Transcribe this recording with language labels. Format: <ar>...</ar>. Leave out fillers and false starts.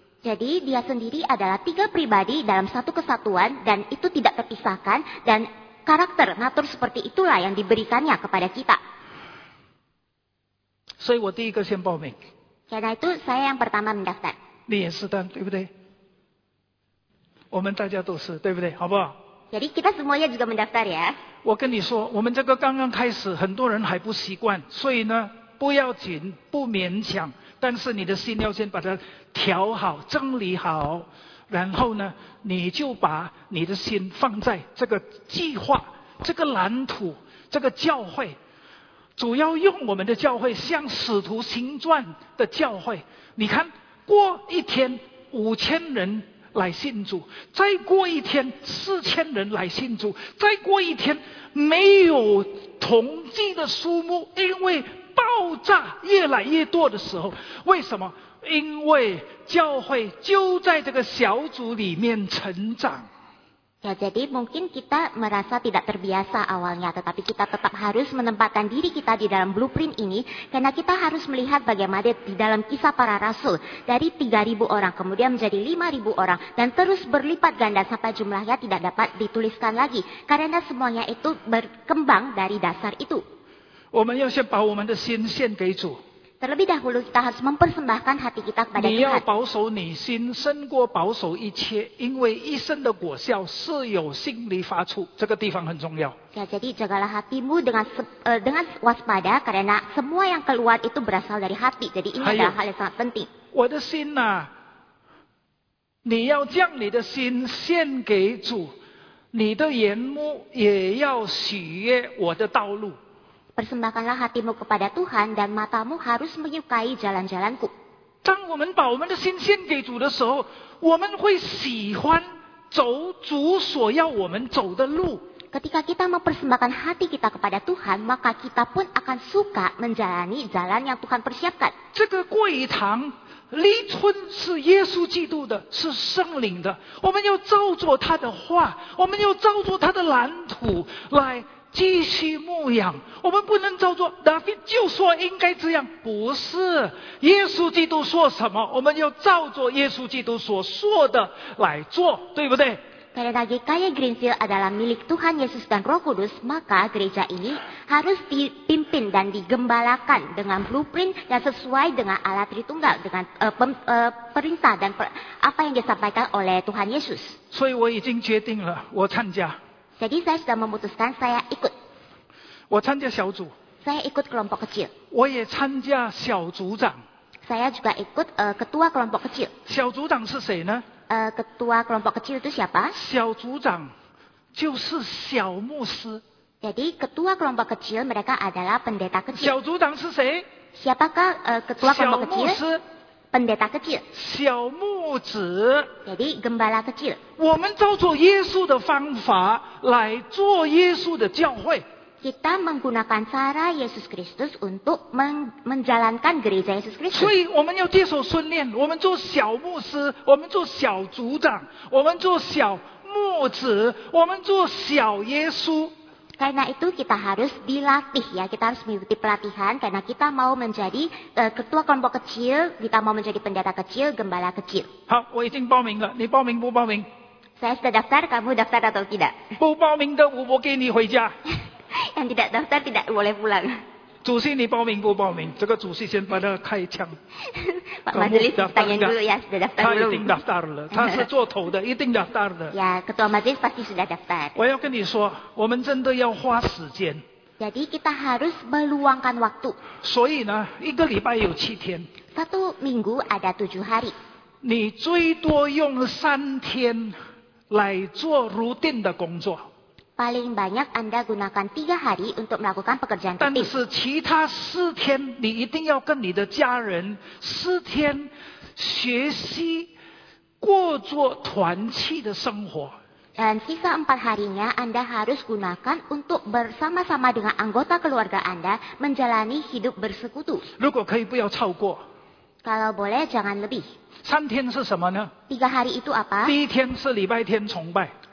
<id>Jadi dia sendiri adalah tiga pribadi dalam satu kesatuan dan itu tidak terpisahkan dan karakter natur seperti itulah yang diberikannya kepada kita. Jadi saya yang pertama mendaftar. Karena itu saya yang pertama mendaftar.</id> <zh>你也是的，对不对？我们大家都是，对不对？好不好？</zh> <id>Jadi kita semuanya juga mendaftar ya.</id> <zh>我跟你说，我们这个刚刚开始，很多人还不习惯，所以呢，不要紧，不勉强。但是你的心要先把它调好整理好然后呢你就把你的心放在这个计划这个蓝图这个教会主要用我们的教会像使徒行传的教会你看过一天5000人来信主再过一天4000人来信主再过一天没有统计的数目因为爆炸越来越多的时候为什么因为教会就在这个小组里面成长</zh> <id>ya, jadi mungkin kita merasa tidak terbiasa awalnya tetapi kita tetap harus menempatkan diri kita di dalam blueprint ini karena kita harus melihat bagaimana di dalam kisah para rasul dari 3.000 orang kemudian menjadi 5.000 orang dan terus berlipat ganda sampai jumlahnya tidak dapat dituliskan lagi karena semuanya itu berkembang dari dasar itu</id> <zh>们要先把我们的心献给主。</zh> <id>Terlebih dahulu kita harus mempersembahkan hati kita kepada Tuhan.</id> <zh>你要保守你心，胜过保守一切，因为一生的果效是由心里发出。这个地方很重要。</zh> <id>Ya, jadi jagalah hatimu dengan waspada, karena semua yang keluar itu berasal dari hati. Jadi ini adalah hal yang sangat penting.</id> <zh>我的心呐、啊，你要将你的心献给主，你的眼目也要喜悦我的道路。</zh> <id>Persembahkanlah hatimu kepada Tuhan dan matamu harus menyukai jalan-jalanku.</id> <zh>当我们把我们的心献给主的时候，我们会喜欢走主所要我们走的路。</zh> <id>Ketika kita mempersembahkan hati kita kepada Tuhan, maka kita pun akan suka menjalani jalan yang Tuhan persiapkan.</id> <zh>这个会堂立春是耶稣基督的，是圣灵的。我们要照着他的话，我们要照着他的蓝图来。继续牧养，我们不能照做。David 就说应该这样，不是。耶稣基督说什么，我们要照做耶稣基督所说的来做，对不对？</zh> <id>Karena gereja Greenfield adalah milik Tuhan Yesus dan Roh Kudus, maka gereja ini harus dipimpin dan digembalakan dengan blueprint dan sesuai dengan Allah Tritunggal, dengan perintah dan apa yang disampaikan oleh Tuhan Yesus.</id> <zh>所以我已经决定了，我参加。</zh> <id>Jadi saya sudah memutuskan saya ikut.</id> <zh>我参加小组。</zh> <id>Saya ikut kelompok kecil.</id> <zh>我也参加小组长。</zh> <id>Saya juga ikut ketua kelompok kecil.</id> <zh>小组长是谁呢？</zh> <id>Ketua kelompok kecil itu siapa?</id> <zh>小组长就是小牧师。</zh> <id>Jadi ketua kelompok kecil mereka adalah pendeta kecil.</id> <zh>小组长是谁？</zh> <id>Siapakah ketua kelompok kecil?</id> <zh>小牧师。</zh> <id>Pendeta kecil.</id> <zh>小牧子。</zh> <id>Jadi gembala kecil.</id> <zh>我们照着耶稣的方法来做耶稣的教会。</zh> <id>Kita menggunakan cara Yesus Kristus untuk menjalankan gereja Yesus Kristus.</id> <zh>所以我们要接受训练，我们做小牧师，我们做小组长，我们做小牧子，我们做小耶稣。</zh> <id>Karena itu kita harus dilatih ya, kita harus mengikuti pelatihan karena kita mau menjadi ketua kelompok kecil, kita mau menjadi pendeta kecil, gembala kecil.</id> <zh>好，我已经报名了，你报名不报名？</zh> <id>Saya sudah daftar, kamu daftar atau tidak?</id> <zh>不报名的我不给你回家。</zh> <id>Yang tidak daftar tidak boleh pulang.</id> <zh>主席你报名不报名？这个主席先把他开枪。</zh> <id>Pak Majelis tanya dulu ya, sudah daftar belum?</id> <zh>他已经</zh> <id>daftar</id> <zh>了，他是做头的，一定 daftar 的。</zh> <id>Ya, ketua majelis pasti sudah daftar.</id> <zh>我要跟你说，我们真的要花时间。</zh> <id>Jadi kita harus meluangkan waktu.</id> <zh>所以呢，一个礼拜有七天。</zh> <id>Satu minggu ada tujuh hari.</id> <zh>你最多用三天来做 routine 的工作。</zh> <id>Paling banyak Anda gunakan 3 hari untuk melakukan pekerjaan</id> <zh>但是其他四天你一定要跟你的家人四天学习过做团契的生活。</zh> <id>Dan sisa 4 harinya Anda harus gunakan untuk bersama-sama dengan anggota keluarga Anda menjalani hidup bersekutu.</id> <zh>如果可以不要超过。</zh> <id>Kalau boleh jangan lebih.</id> <zh>三天是什么呢？</zh> <id>3 hari itu apa?</id> <zh>第一天是礼拜天崇拜。</zh>